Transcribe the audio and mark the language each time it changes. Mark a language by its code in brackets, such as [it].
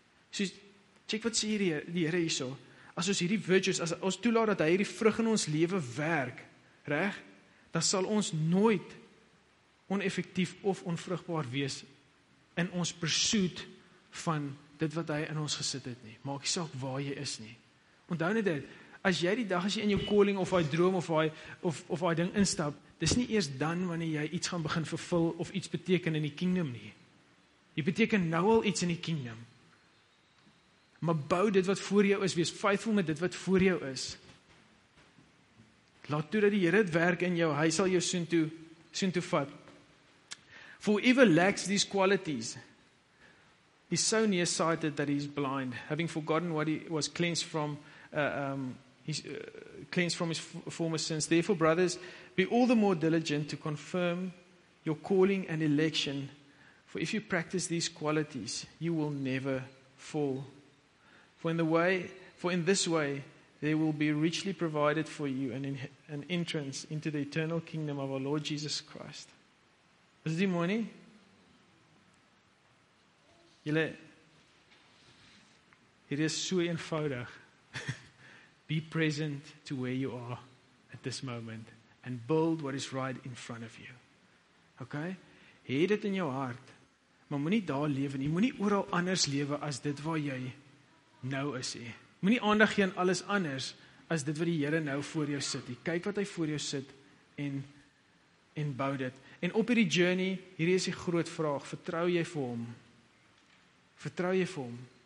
[af] Soos, check wat sê die Here hier so. As ons hierdie virtues, as ons toelaat dat hy hierdie vrug in ons lewe werk, reg, dan sal ons nooit oneffektief of onvrugbaar wees in ons pursuit van dit wat hy in ons gesit het nie. Maak nie saak waar jy is nie. Onthou net dit, as jy die dag as jy in jou calling of hy droom of hy of hy ding instap, dis nie eers dan wanneer jy iets gaan begin vervul of iets beteken in die kingdom nie. Jy beteken nou al iets in die kingdom. Maar bou dit wat voor jou is, wees faithful met dit wat voor jou is. Laat toe dat die Here dit werk in jou, hy sal jou soontoe vat. [en] For whoever lacks these qualities is so nearsighted that he is blind, having forgotten what he was cleansed from, former sins. Therefore, brothers, be all the more diligent to confirm your calling and election. For if you practice these qualities, you will never fall. For in this way, they will be richly provided for you an entrance into the eternal kingdom of our Lord Jesus Christ. [af] Is dit mooi nie? Julle, hier is so eenvoudig. [en] Be present to where you are at this moment and build what is right in front of you. [af] Okay? Hê dit in jou hart, maar moenie daar lewe nie. Moenie oral anders lewe as dit waar jy nou is nie. Moenie aandag gee aan alles anders as dit wat die Here nou voor jou sit nie. Kyk wat hy voor jou sit en bou dit. En op hierdie journey, hierdie is die groot vraag, vertrou jy vir hom? Vertrou jy vir hom?